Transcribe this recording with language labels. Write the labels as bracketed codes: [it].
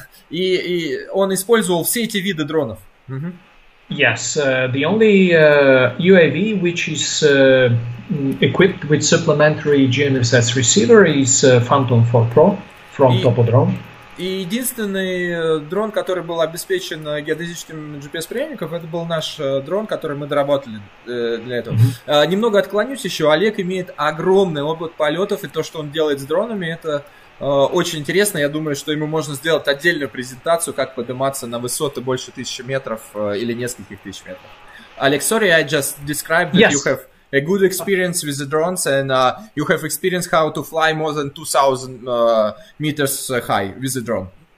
[ru] И он использовал все эти виды дронов. [en] Yes, the only UAV which is equipped with supplementary GNSS receiver is Phantom 4 Pro from Topodrome. [ru] И единственный дрон, который был обеспечен геодезическим GPS-приемником, это был наш дрон, который мы доработали для этого. Mm-hmm. Немного отклонюсь еще. Олег имеет огромный опыт полетов, и то, что он делает с дронами, это очень интересно. Я думаю, что ему можно сделать отдельную презентацию, как подниматься на высоты больше 1000 метров или нескольких тысяч метров. [en] Олег, sorry, I just described that you have a good experience with the drones and you have experience how to fly more than 2000 meters high with the drone.